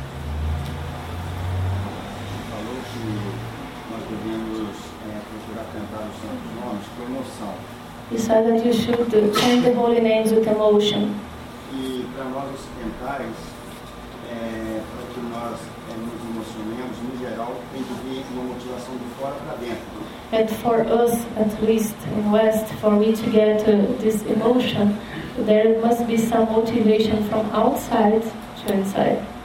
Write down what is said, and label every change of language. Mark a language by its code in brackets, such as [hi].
[pt] Falou que nós devemos procurar cantar os santos nomes com emoção. [en] He said that you should chant the holy names with emotion. [pt] E para nós ocidentais, para que nós nos emocionemos, no geral, tem que vir uma motivação de fora para dentro. [en] And for us, at least in West, for me to get this emotion, there must be some motivation from outside to inside.